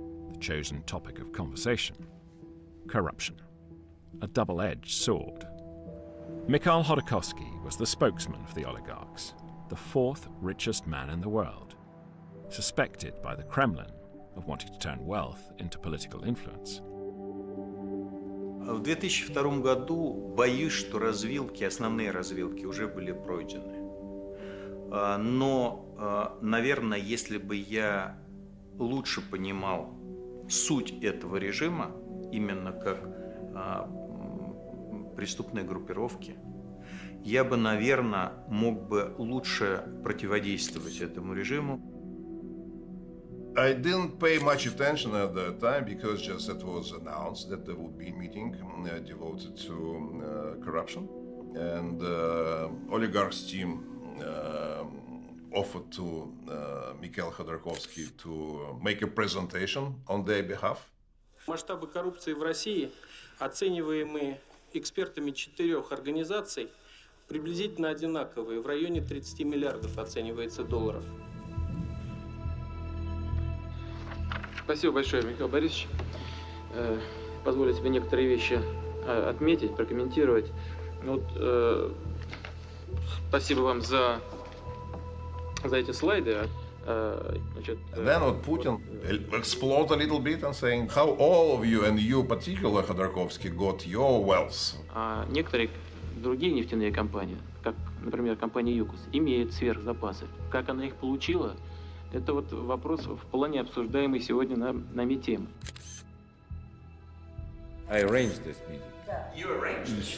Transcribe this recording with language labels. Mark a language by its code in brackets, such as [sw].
[en] The chosen topic of conversation, corruption. A double-edged sword. Mikhail Khordokovsky was the spokesman for the oligarchs, the 4th richest man in the world, suspected by the Kremlin of wanting to turn wealth into political influence. [ru] В 2002 году боюсь, что развилки, основные развилки уже были пройдены. Но, наверное, если бы я лучше понимал суть этого режима, именно как преступные группировки, я бы, наверное, мог бы лучше противодействовать этому режиму. [en] I didn't pay much attention at that time because just it was announced that there would be a meeting devoted to corruption. And oligarch's team offered to Mikhail Khodorkovsky to make a presentation on their behalf. [ru] Масштабы коррупции в России, оцениваемые экспертами четырех организаций, приблизительно одинаковые, в районе 30 миллиардов оценивается долларов. Спасибо большое, Михаил Борисович. Позволю себе некоторые вещи отметить, прокомментировать. Ну, вот, спасибо вам за эти слайды. [en] Then [ru] вот [en] Путин explored a little bit and saying how all of you and you particular Khodorkovsky got your wealth. [ru] Некоторые другие нефтяные компании, как, например, компания Юкус, имеют сверхзапасы. Как она их получила? Это вот вопрос вполне обсуждаемый сегодня на митинге. [en] I arranged this meeting. Yeah. You arranged it?